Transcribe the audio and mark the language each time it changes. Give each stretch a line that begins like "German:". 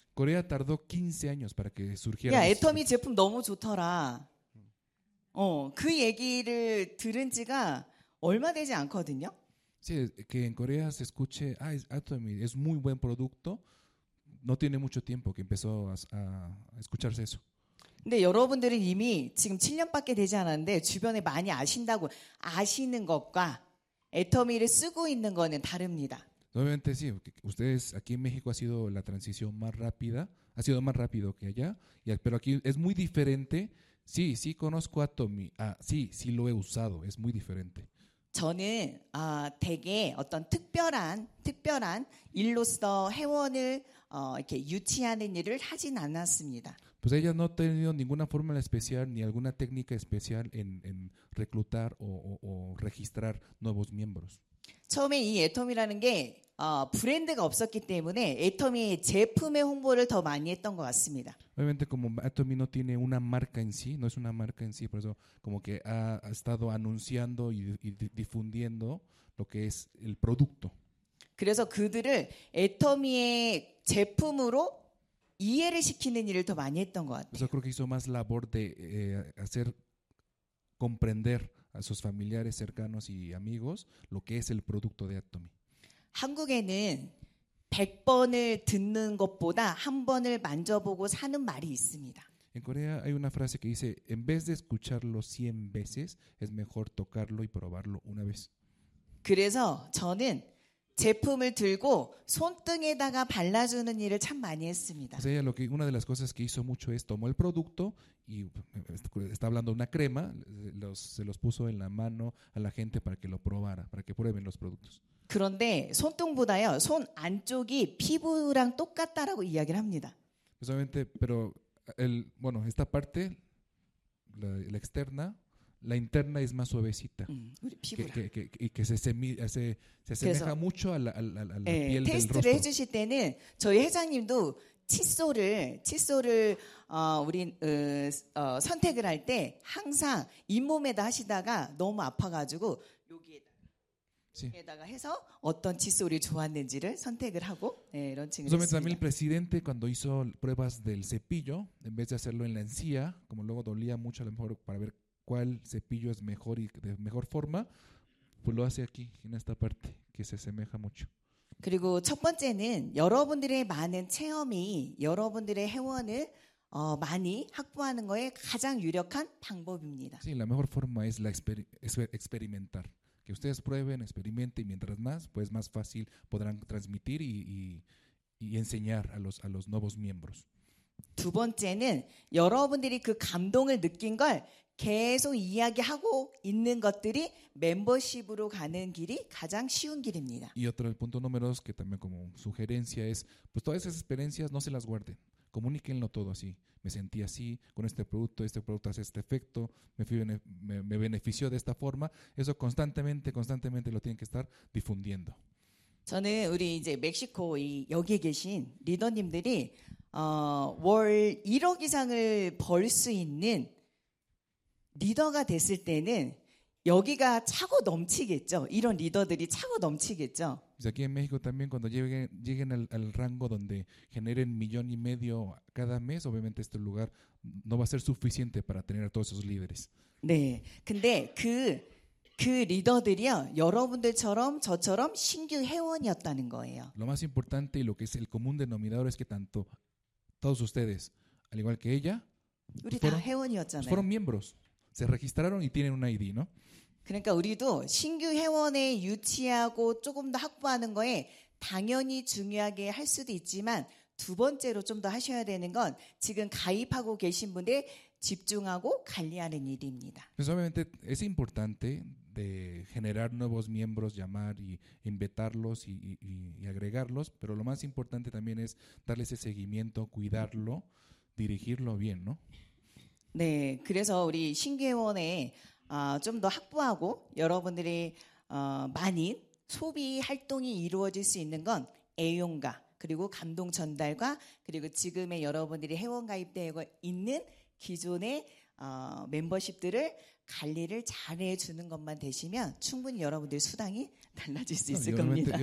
Spanish: Corea tardó 15 años para que surgiera.
Korean: 야, 애터미 제품 너무 좋더라. 그 얘기를 들은 지가 얼마 되지 않거든요.
Spanish: Sí, que en Corea se escuche, Atomy es muy buen producto. No tiene mucho tiempo que empezó a escucharse eso.
Korean: 근데 여러분들은 이미 지금 7년밖에 되지 않았는데 주변에 많이 아신다고 아시는 것과 애터미를 쓰고 있는 거는 다릅니다.
Spanish: Obviamente sí, ustedes aquí en México ha sido la transición más rápida, ha sido más rápido que allá, pero aquí es muy diferente. Sí, sí conozco a Tommy. Sí, sí lo he usado. Es muy diferente.
Korean: 저는 되게 어떤 특별한 일로서 회원을 이렇게 유치하는 일을 하진 않았습니다.
Spanish: Pues ella no ha tenido ninguna fórmula especial ni alguna técnica especial en reclutar o registrar nuevos miembros.
Korean: 처음에 이 애터미라는 게 브랜드가 없었기 때문에 애터미 제품의 홍보를 더 많이 했던 것 같습니다.
Spanish: Obviamente como Atomy no tiene una marca en sí, no es una marca en sí, por eso como que ha estado anunciando y difundiendo lo que es el producto.
Korean: 그래서 그들을 애터미의 제품으로 이해를 시키는 일을 더 많이 했던 것 같아요.
Spanish: Eso creo que hizo más labor de hacer comprender a sus familiares cercanos y amigos lo que es el producto de Atomy.
Korean: 한국에는 100번을 듣는 것보다 한 번을 만져보고 사는 말이 있습니다.
Spanish: En Corea hay una frase que dice en vez de escucharlo 100 veces es mejor tocarlo y probarlo una vez.
Korean: 그래서 저는 제품을 들고 손등에다가 발라주는 일을 참 많이 했습니다.
Spanish: O sea, lo que una de las cosas que hizo mucho es tomó el producto y está hablando de una crema, se los puso en la mano a la gente para que lo probara, para que prueben los productos.
Korean: 그런데 손등보다요, 손 안쪽이 피부랑 똑같다라고 이야기를 합니다.
Spanish: Precisamente, pero el bueno, esta parte la externa La interna es más suavecita. Que se asemeja mucho a la piel del rostro.
Korean: 테스트를 해주실 때는 저희 회장님도 칫솔을 선택을 할 때 항상 잇몸에다 하시다가 너무 아파가지고 여기에다가 해서 어떤 칫솔이 좋았는지를 선택을 하고 런칭을 했습니다.
Spanish: El presidente cuando hizo pruebas del cepillo en vez de hacerlo en la encía como luego dolía mucho a lo mejor para ver cuál cepillo es mejor y de mejor forma pues lo hace aquí en esta parte que se asemeja mucho.
Korean: 그리고 첫 번째는 여러분들의 많은 체험이 여러분들의 회원을 많이 확보하는 거에 가장 유력한 방법입니다.
Spanish: Sí, la mejor forma es la experimentar. Que ustedes prueben, experimenten y mientras más pues más fácil podrán transmitir y enseñar a los nuevos miembros.
Korean: 두 번째는 여러분들이 그 감동을 느낀 걸 계속 이야기하고 있는 것들이 멤버십으로 가는 길이 가장 쉬운 길입니다.
Spanish: Y otro punto número dos que también como sugerencia es pues todas esas experiencias no se las guarden. Comuníquenlo todo así. Me sentí así con este producto hace este efecto, me benefició de esta forma. Eso constantemente lo tienen que estar difundiendo.
Korean: 저는 우리 이제 멕시코 여기 계신 리더님들이 월 1억 이상을 벌 수 있는 리더가 됐을 때는 여기가 차고 넘치겠죠. 이런 리더들이 차고 넘치겠죠.
Spanish: Aquí en México también cuando lleguen al rango donde generen 1.5 million cada mes, obviamente este lugar no va a ser suficiente para tener a todos esos líderes.
Korean: 네, 근데 그 리더들이요, 여러분들처럼 저처럼 신규 회원이었다는 거예요.
Spanish: Lo más importante y lo que es el común denominador es que tanto todos ustedes, al igual que ella,
Korean: 우리 다 회원이었잖아요.
Spanish: Fueron miembros. Se registraron y tienen un ID, ¿no?
Korean: 그러니까 우리도 신규 회원에 유치하고 조금 더 확보하는 거에 당연히 중요하게 할 수도 있지만 두 번째로 좀 더 하셔야 되는 건 지금 가입하고 계신 분들 집중하고 관리하는 일입니다.
Spanish: Pues obviamente es importante de generar nuevos miembros, llamar y invitarlos y agregarlos, pero lo más importante también es darles ese seguimiento, cuidarlo, dirigirlo bien, ¿no?
Korean: 네, 그래서 우리 신규 회원에 좀 더 확보하고 여러분들이 많이 소비 활동이 이루어질 수 있는 건 애용가 그리고 감동 전달과 그리고 지금의 여러분들이 회원 가입되어 있는 기존의 멤버십들을 관리를 잘해 주는 것만 되시면 충분히 여러분들 수당이 달라질 수 있을 겁니다.